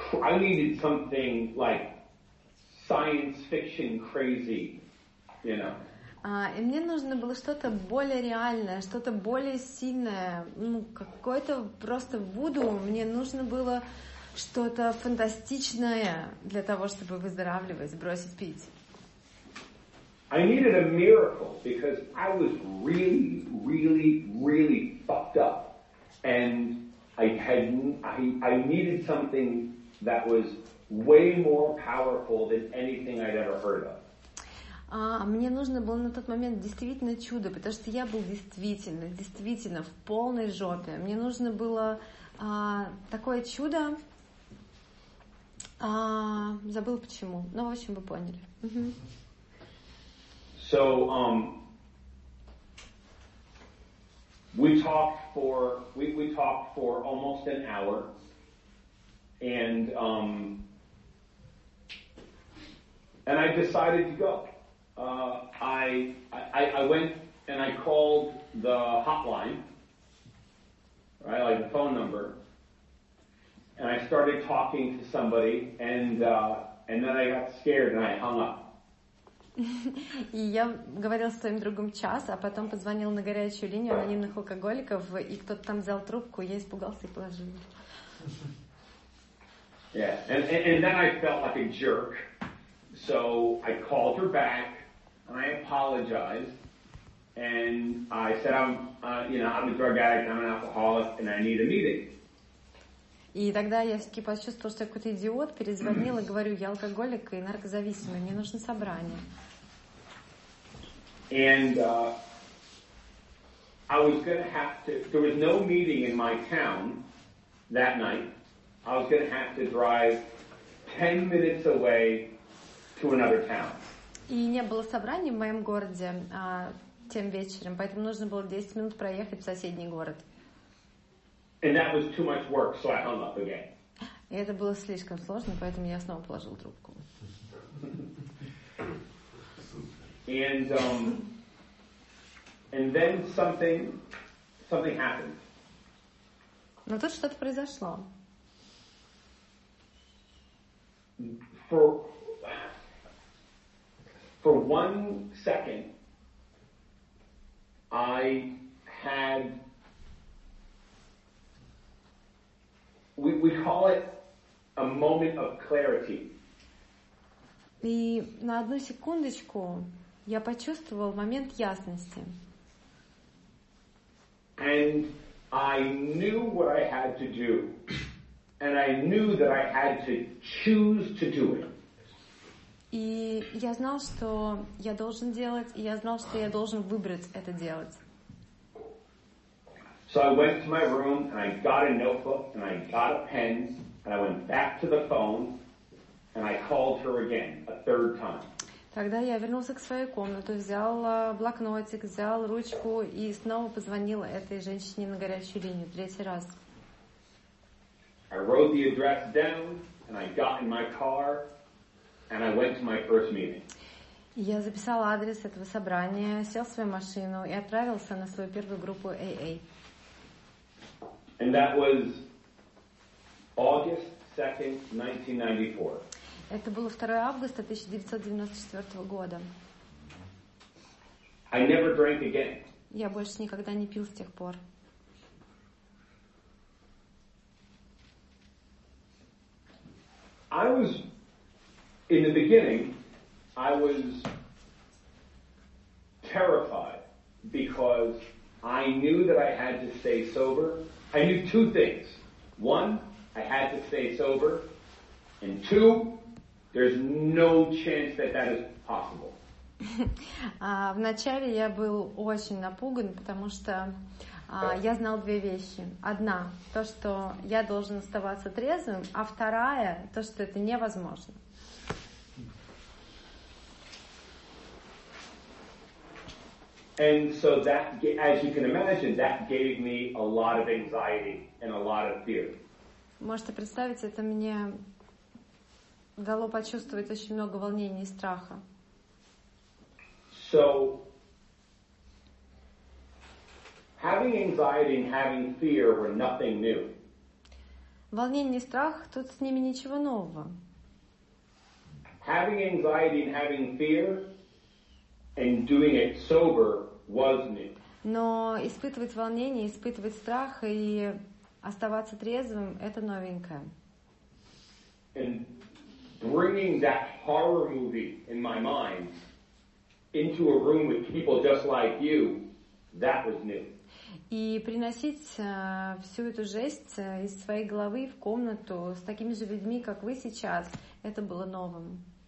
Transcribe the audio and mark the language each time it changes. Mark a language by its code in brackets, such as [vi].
[en] I needed something like science fiction crazy, you know. [ru] И мне нужно было что-то более реальное, что-то более сильное, какое-то просто вуду. Мне нужно было что-то фантастичное для того, чтобы выздоравливать, бросить пить. [en] I needed a miracle because I was really, really, really fucked up, and I needed something that was way more powerful than anything I'd ever heard of. [ru] Мне нужно было на тот момент действительно чудо, потому что я был действительно, действительно в полной жопе. Мне нужно было такое чудо. Забыл почему. Ну, в общем, вы поняли. [en] So, we talked for almost an hour, and I decided to go. I went and I called the hotline, right, like the phone number, and I started talking to somebody, and then I got scared and I hung up. [ru] И я говорила с твоим другом час, а потом позвонила на горячую линию анонимных алкоголиков, и кто-то там взял трубку, я испугался и положила. [en] Yeah, and then I felt like a jerk, so I called her back, and I apologized, and I said I'm a drug addict, I'm an alcoholic, and I need a meeting. [ru] И тогда я все-таки почувствовала, что я какой-то идиот, перезвонила, говорю, я алкоголик и наркозависимый, мне нужно собрание. [en] And I was going to have to, there was no meeting in my town that night. I was going to have to drive 10 minutes away to another town. [ru] И не было собрания в моем городе тем вечером, поэтому нужно было 10 минут проехать в соседний город. [en] And that was too much work, so I hung up again. [ru] И это было слишком сложно, поэтому я снова положил трубку. [en] And then something happened. [ru] Но тут что-то произошло. [en] For one second, I had. We call it a moment of clarity. [ru] И на одну секундочку я почувствовал момент ясности. [en] And I knew what I had to do. And I knew that I had to choose to do it. [ru] И я знал, что я должен делать, и я знал, что я должен выбрать это делать. [en] So I went to my room and I got a notebook and I got a pen and I went back to the phone and I called her again a third time. [ru] Тогда я вернулся к своей комнате, взял блокнотик, взял ручку и снова позвонил этой женщине на горячую линию, третий раз. [en] I wrote the address down, and I got in my car, and I went to my first meeting. [ru] Я записал адрес этого собрания, сел в свою машину и отправился на свою первую группу AA. [en] And that was August 2nd, 1994. [ru] Это было 2 августа 1994 года. [en] I never drank again. [ru] Я больше никогда не пил с тех пор. [en] I was, in the beginning, I was terrified because I knew that I had to stay sober. I knew two things. One, I had to stay sober. And two, there's no chance that that is possible. [ru] Вначале я был очень напуган, потому что я знал две вещи. Одна, то, что я должен оставаться трезвым, а вторая, то, что это невозможно. [en] And so that, as you can imagine, that gave me a lot of anxiety and a lot of fear. [ru] Можете представить, это мне дало почувствовать очень много волнений и страха. [en] So, having anxiety and having fear were nothing new. [ru] Волнение и страх, тут с ними ничего нового. [en] Having anxiety and having fear and doing it sober was new. [ru] Но испытывать волнение, испытывать страх и оставаться трезвым, это новенькое. [en] And bringing that horror movie in my mind into a room with people just like you, that was new. [ru] И приносить всю эту жесть из своей головы в комнату с такими же людьми, как вы сейчас, это было новым.